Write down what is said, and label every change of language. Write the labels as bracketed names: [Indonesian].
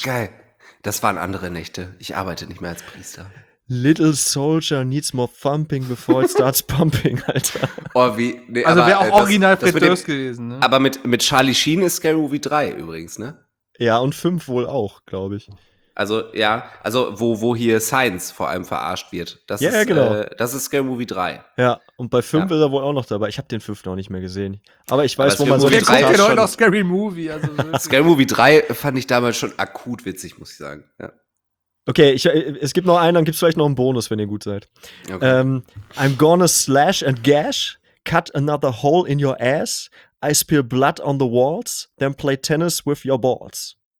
[German] Ach geil, das waren andere Nächte. Ich arbeite nicht mehr als Priester. [English] Little Soldier needs more thumping before it starts pumping, Alter. [German] Oh, wie. Nee, also wäre auch original Fred Durst gewesen, ne? Aber mit Charlie Sheen ist Scary Movie 3 übrigens, ne? Ja, und 5 wohl auch, glaube ich. Also, ja, also wo hier Science vor allem verarscht wird. Das ja, ist, ja, genau. Das ist Scary Movie 3. Ja, und bei 5 ist er wohl auch noch dabei. Ich habe den 5 noch nicht mehr gesehen. Aber ich weiß, aber wo man so ein bisschen. Wir gucken noch Scary Movie. Also Scary Movie 3 fand ich damals schon akut witzig, muss ich sagen, ja. Okay, es gibt noch einen, dann gibt's vielleicht noch einen Bonus, wenn ihr gut seid. Okay. [English] I'm gonna slash and gash, cut another hole in your ass, I spill blood on the walls, then play tennis with your balls.